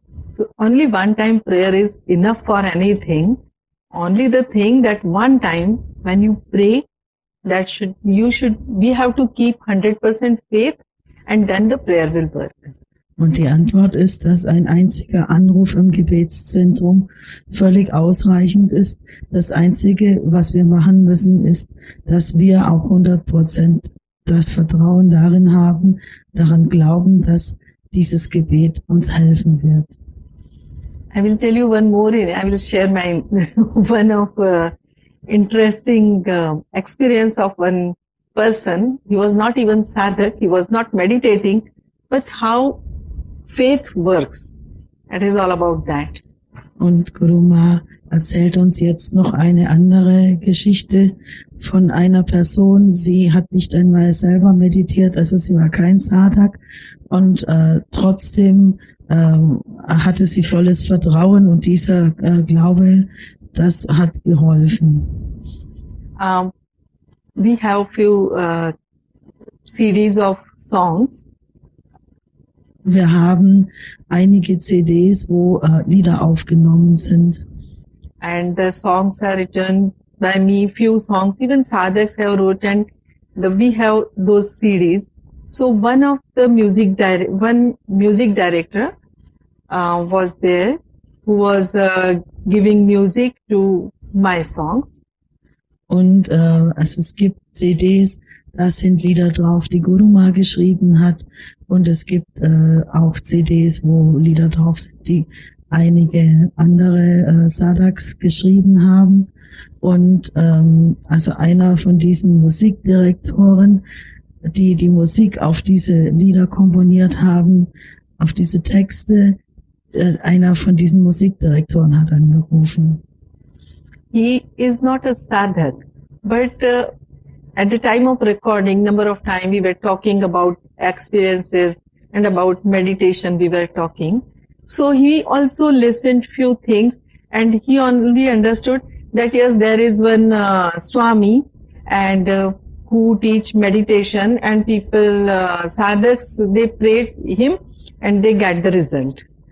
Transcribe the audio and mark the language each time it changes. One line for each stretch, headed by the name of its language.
English: So only one time prayer is enough for anything. Only the thing that one time when you pray, that should, you should, we have to keep 100% faith and then the prayer will work.
German: Und die Antwort ist, dass ein einziger Anruf im Gebetszentrum völlig ausreichend ist. Das Einzige, was wir machen müssen, ist, dass wir auch 100% das Vertrauen darin haben, daran glauben, dass dieses Gebet uns helfen wird.
English: I will tell you one more, I will share my one of interesting experience of one person. He was not even sadhak, he was not meditating, but how faith works. It is all about that.
German: Und Guru Ma erzählt uns jetzt noch eine andere Geschichte von einer Person. Sie hat nicht einmal selber meditiert, also sie war kein Sadhak, und trotzdem hatte sie volles Vertrauen, und dieser Glaube, das hat geholfen.
English: We have few series of songs.
German: Wir haben einige CDs, wo Lieder aufgenommen sind.
English: And the songs are written by me, few songs, even sadhaks have written, we have those CDs. So one of the music director was there, who was giving music to my songs.
German: Und also es gibt CDs, das sind Lieder drauf, die Guru Ma geschrieben hat. Und es gibt auch CDs, wo Lieder drauf sind, die einige andere Sadhaks geschrieben haben. Und also einer von diesen Musikdirektoren, die Musik auf diese Lieder komponiert haben, auf diese Texte, einer von diesen Musikdirektoren hat angerufen.
English: He is not a sadhak, but at the time of recording, number of time we were talking about experiences and about meditation we were talking. So he also listened few things, and he only understood that yes, there is one Swami and who teach meditation, and people, sadhaks, they pray him and they get the result.